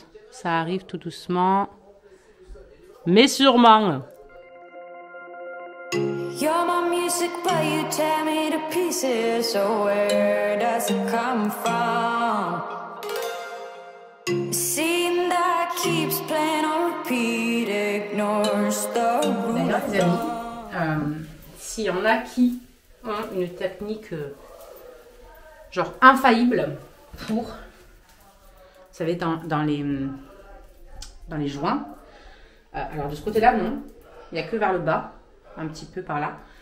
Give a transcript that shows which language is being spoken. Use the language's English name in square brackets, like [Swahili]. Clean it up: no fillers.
[French] Ça arrive tout doucement, mais sûrement. [English] You're my music, but you tear me to pieces. So where does it come from? Scene that keeps playing on repeat, ignores the rules. [French] Mais là, c'est bon. S'il y en a qui ont une technique... genre infaillible pour, vous savez, dans les joints. Alors de ce côté-là, non, il n'y a que vers le bas, un petit peu par là.